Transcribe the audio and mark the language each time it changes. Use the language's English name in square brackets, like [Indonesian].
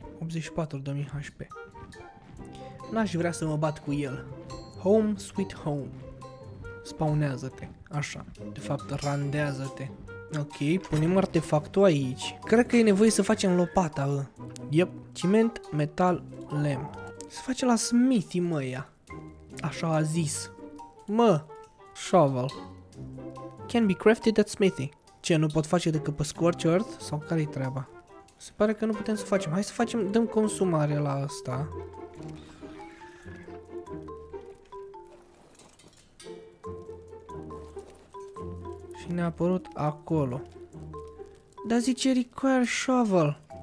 [Romanian] 84.000 HP. N-aș vrea să mă bat cu el. [English] Home sweet home. [Romanian] Spawnează-te. Așa. De fapt, randează-te. Ok, punem artefactul aici. Cred că e nevoie să facem lopata, bă. Yep. Ciment, metal, lemn. Se face la smithy, mă, ea. Așa a zis. Mă, [English] shovel. Can be crafted at smithy. [Romanian] Ce, nu pot face decât pe Scorched Earth? Sau care-i treaba? Se pare că nu putem să facem. Hai să facem, dăm consumare la asta. Și ne-a apărut acolo. Dar zice require shovel.